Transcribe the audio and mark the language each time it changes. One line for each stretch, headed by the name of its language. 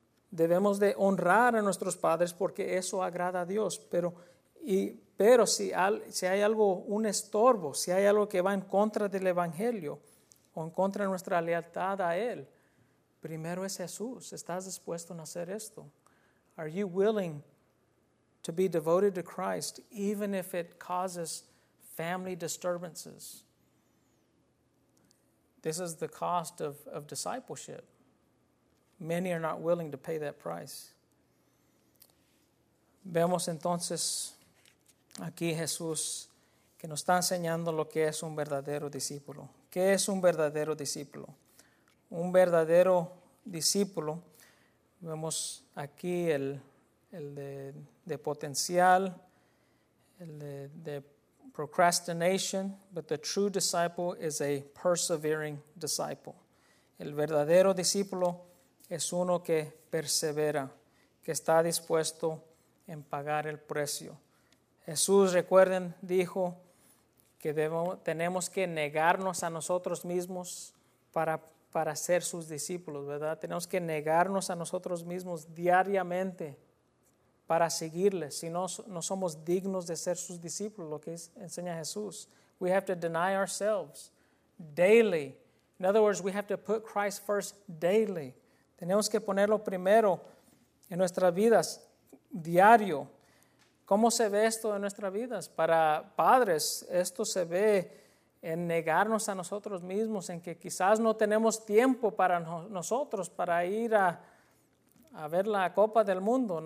Spanish: Debemos de honrar a nuestros padres porque eso agrada a Dios. Pero si hay algo, un estorbo, si hay algo que va en contra del Evangelio o en contra de nuestra lealtad a Él, primero es Jesús. ¿Estás dispuesto a hacer esto?
English: Are you willing to be devoted to Christ even if it causes family disturbances? This is the cost of discipleship. Many are not willing to pay that price.
Spanish: Vemos entonces aquí Jesús que nos está enseñando lo que es un verdadero discípulo. ¿Qué es un verdadero discípulo? Un verdadero discípulo, vemos aquí el de potencial, el de
English: procrastination, but the true disciple is a persevering disciple.
Spanish: El verdadero discípulo es uno que persevera, que está dispuesto en pagar el precio. Jesús, recuerden, dijo que tenemos que negarnos a nosotros mismos para ser sus discípulos, ¿verdad? Tenemos que negarnos a nosotros mismos diariamente para seguirle. Si no somos dignos de ser sus discípulos, lo que enseña Jesús.
English: We have to deny ourselves daily. In other words, we have to put Christ first daily.
Spanish: Tenemos que ponerlo primero en nuestras vidas, diario. ¿Cómo se ve esto en nuestras vidas? Para padres, esto se ve en negarnos a nosotros mismos, en que quizás no tenemos tiempo para nosotros, para ir a ver la Copa del Mundo.